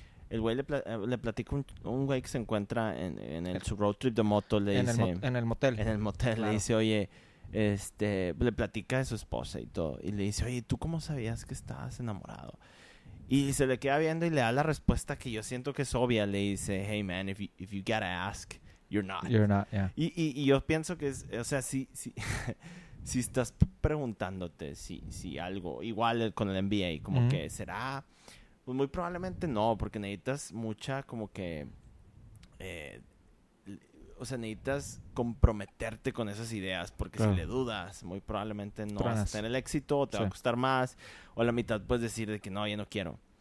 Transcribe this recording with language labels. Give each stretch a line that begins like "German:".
Spanish: El güey le platica un güey que se encuentra en el su road trip de moto, le en dice... En el motel. En el motel, claro. Le dice, oye... le platica de su esposa y todo, y le dice, oye, ¿tú cómo sabías que estabas enamorado? Y se le queda viendo y le da la respuesta que yo siento que es obvia. Le dice,
English: hey man, if you gotta ask, you're not, yeah.
Spanish: Y yo pienso que es, o sea, si si estás preguntándote si algo, igual con el NBA, como que será, pues muy probablemente no, porque necesitas mucha como que o sea, necesitas comprometerte con esas ideas, porque claro, si le dudas, muy probablemente no vas a tener el éxito, o te va a costar más, o a la mitad puedes decir de que no, ya no quiero.